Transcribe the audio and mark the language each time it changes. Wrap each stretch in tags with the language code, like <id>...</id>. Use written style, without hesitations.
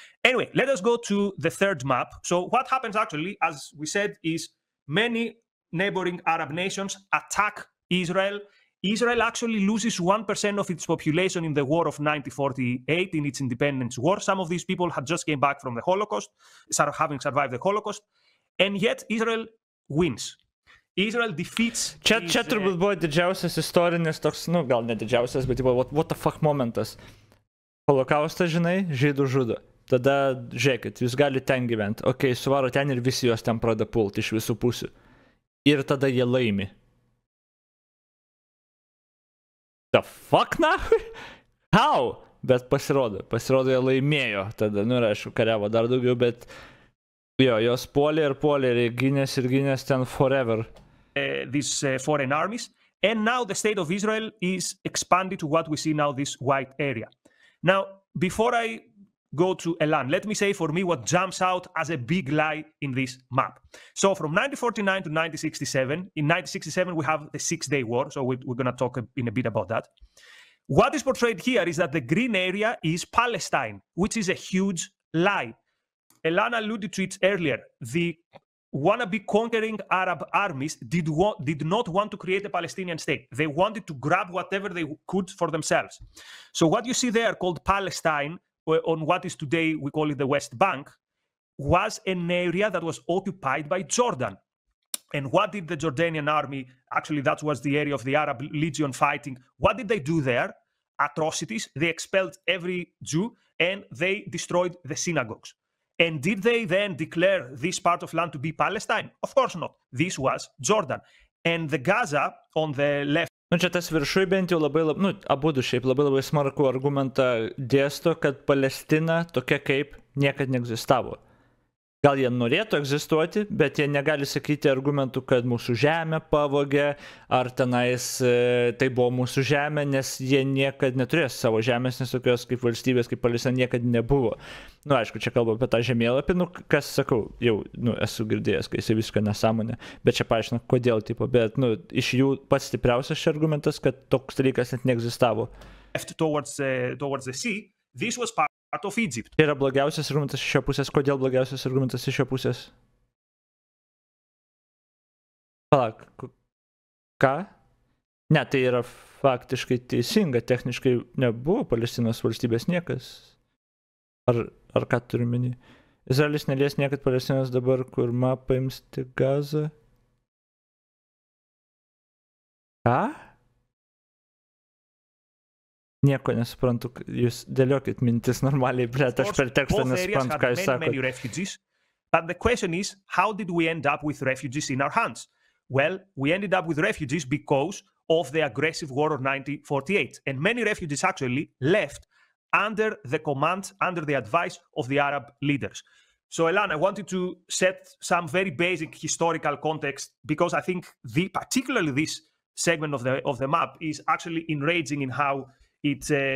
<en>Anyway, let us go to the third map. So what happens actually, as we said, is many neighboring Arab nations attack Israel. Israel actually loses 1% of its population in the war of 1948, in its independence war. Some of these people had just came back from the Holocaust, having survived the Holocaust. And yet Israel wins. Israel defeats...</en> <lt>Čia turbūt buvo didžiausias istorinis toks, nu gal ne didžiausias, bet what the fuck momentas. Holokaustas, žinai, žydų žudo. Tada, žiūrėkit, jūs galite ten gyventi. Okay, suvaro ten ir visi juos ten pradeda pulti iš visų pusių. Ir tada jie laimi. The fuck now? How? Bet pasirodo jie laimėjo tada, nu ir aišku, kariavo dar daugiau, bet jo, jos puolė ir gynės ten forever.</lt> <en>These foreign armies. And now the state of Israel is expanded to what we see now, this white area. Now, before I go to Elan, let me say for me what jumps out as a big lie in this map. So from 1949 to 1967, in 1967 we have the Six-Day War, so we're going to talk in a bit about that. What is portrayed here is that the green area is Palestine, which is a huge lie. Elan alluded to it earlier. The wannabe conquering Arab armies did not want to create a Palestinian state. They wanted to grab whatever they could for themselves. So what you see there called Palestine, on what is today, we call it the West Bank, was an area that was occupied by Jordan. And what did the Jordanian army, actually that was the area of the Arab Legion fighting, what did they do there? Atrocities. They expelled every Jew and they destroyed the synagogues. And did they then declare this part of land to be Palestine? Of course not. This was Jordan. And the Gaza on the left,</en> <lt>nu, čia tas viršui bent jau labai, nu, abudu šiaip labai labai smarkų argumentą dėsto, kad Palestina tokia kaip niekad neegzistavo. Gal jie norėtų egzistuoti, bet jie negali sakyti argumentų, kad mūsų žemė pavogė, ar tenais tai buvo mūsų žemė, nes jie niekad neturės savo žemės, nes tokios kaip valstybės, kaip Palestina niekad nebuvo. Nu, aišku, čia kalbu apie tą žemėlapį, nu, kas sakau, jau, nu, esu girdėjęs, kai jisai viską nesąmonė, bet čia paaiškina, kodėl, tipo, bet, nu, iš jų pats stipriausias šis argumentas, kad toks dalykas net neegzistavo.</lt> <en>Towards the sea, this was part of Egypt.</en> <lt>Tai yra blogiausias argumentas iš šio pusės. Kodėl blogiausias argumentas iš šio pusės? Palauk. Ką? Ne, tai yra faktiškai teisinga. Techniškai nebuvo Palestinos valstybės niekas. Ar ką turiu minį? Izraelis nelies niekad Palestinos dabar, kur mapa imsti Gazą. Ką? Nieko nesuprantu, jūs dėliokit mintis normaliai, bet aš per tekstą nesuprantu, ką jūs sakot.</lt> <en>Many refugees. But the question is, how did we end up with refugees in our hands? Well, we ended up with refugees because of the aggressive war of 1948. And many refugees actually left under the command, under the advice of the Arab leaders. So, Elan, I wanted to set some very basic historical context because I think the particularly this segment of the map is actually enraging in how it</en>